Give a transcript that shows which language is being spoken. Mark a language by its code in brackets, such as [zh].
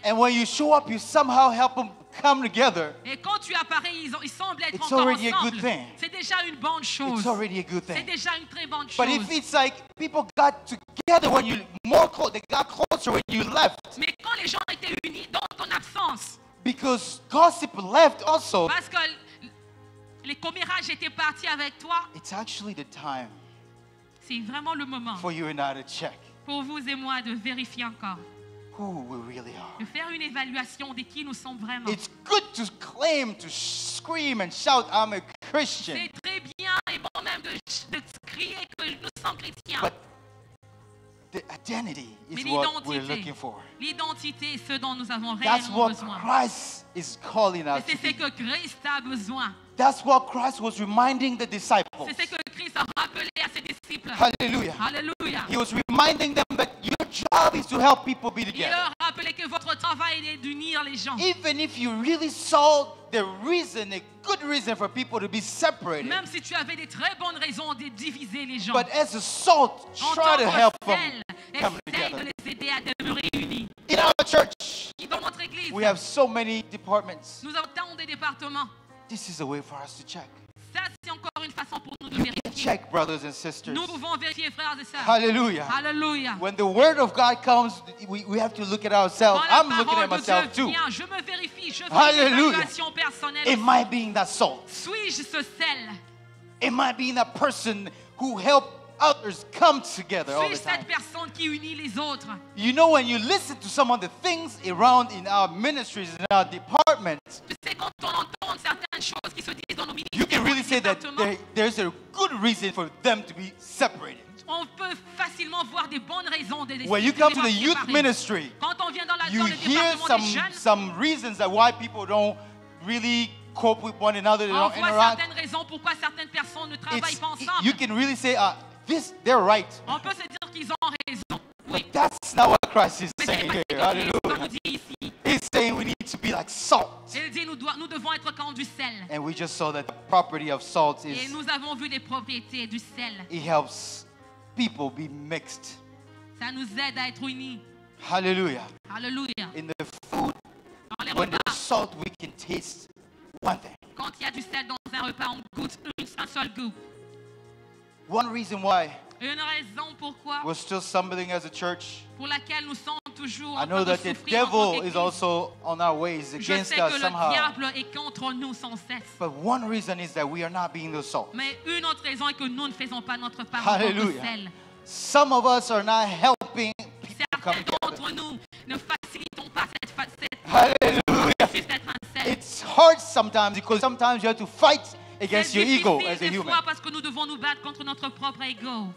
[en] and when you show up, you somehow help them come together. [fr] Et quand tu apparais, ils semblent être [en] it's [fr] encore [en] already [fr] ensemble. [en] A good thing. [fr] C'est déjà une bonne chose. [en] It's already a good thing. [fr] C'est déjà une très bonne chose. [en] But if it's like people got together when you more close, they got closer when you left. [fr] Mais quand les gens étaient unis dans ton absence. [en] Because gossip left also. [fr] Parce que les commérages étaient partis avec toi. [en] It's actually the time. [fr] C'est vraiment le moment. [en] For you and I to check. [fr] Pour vous et moi de vérifier encore. [en] Who we really are. [fr] De faire une évaluation de qui nous sommes vraiment. [en] It's good to claim to scream and shout I'm a Christian. [fr] C'est très bien et bon même de crier que nous sommes chrétiens. [en] But the identity is what we're looking for. [fr] L'identité est ce dont nous avons [en] that's [fr] réellement besoin. [en] That's what Christ is calling us. [fr] C'est ce que Christ a besoin. [en] That's what Christ was reminding the disciples. [fr] C'est ce que Christ a rappelé à ses disciples. [en] Hallelujah. [fr] Hallelujah. [en] He was reminding them that your job is to help people be together. [fr] Il leur rappelait que votre travail est d'unir les gens. [en] Even if you really saw the reason, a good reason for people to be separated. [fr] Même si tu avais des très bonnes raisons de diviser les gens. [en] But as a salt, try to help them come together. [fr] Essaye de les aider à demeurer unis. [en] In our church, [fr] dans notre église, [en] we have so many departments. [fr] Nous avons tant de départements. [en] This is a way for us to check. [fr] Ça, c'est encore une façon pour nous de [en] you [fr] vérifier. [en] Can check, brothers and sisters. [fr] Nous pouvons vérifier, frères et sœurs. [en] Hallelujah. [fr] Hallelujah. [en] When the word of God comes, we have to look at ourselves. I'm looking at myself too. [fr] Je me vérifie, je fais une évaluation personnelle. [en] Am I being that salt? [fr] Suis-je ce sel? [en] Am I being that person who helps others come together all the time. [fr] Cette personne qui unit les autres. [en] You know when you listen to some of the things around in our ministries in our departments. [fr] Tu sais, quand on entend certaines choses qui se disent dans nos ministères, [en] you can really say that there's a good reason for them to be separated. [fr] On peut facilement voir des bonnes raisons de les [en] when you come to the youth ministry, [fr] quand on vient dans la, [en] you [fr] dans le [en] hear [fr] département [en] some, [fr] des jeunes, [en] some reasons that why people don't really cope with one another, they don't interact. [fr] On voit certaines raisons pourquoi certaines personnes ne travaillent [en] it's, [fr] pas ensemble. [en] You can really say this, they're right. [fr] On peut se dire qu'ils ont raison. Oui. [en] But that's not what Christ is saying here. Hallelujah. He's saying we need to be like salt. [fr] Il dit nous devons être comme du sel. [en] And we just saw that the property of salt is. [fr] Et nous avons vu les propriétés du sel. [en] It helps people be mixed. [fr] Ça nous aide à être unis. [en] Hallelujah. [fr] Hallelujah. [en] In the food, when there's salt, we can taste one thing. [fr] Quand il y a du sel dans un repas, on goûte un seul goût. [en] One reason why [fr] Une raison pourquoi [en] we're still stumbling as a church. [fr] Pour laquelle nous sommes toujours [en] I know [fr] en train [en] that [fr] de [en] the [fr] souffrir [en] devil is also on our ways against [fr] Je sais que [en] us somehow. [fr] Le diable est contre nous sans cesse. [en] But one reason is that we are not being the salt. [fr] Mais une autre raison est que nous ne faisons pas notre part [en] Hallelujah. [fr] De sel. [en] Some of us are not helping people [fr] Certains [en] come together. [fr] D'entre nous ne facilitons pas cette facette. [en] Hallelujah. It's hard sometimes because sometimes you have to fight against your ego as a human. [fr] Parce que nous devons nous battre contre notre propre ego.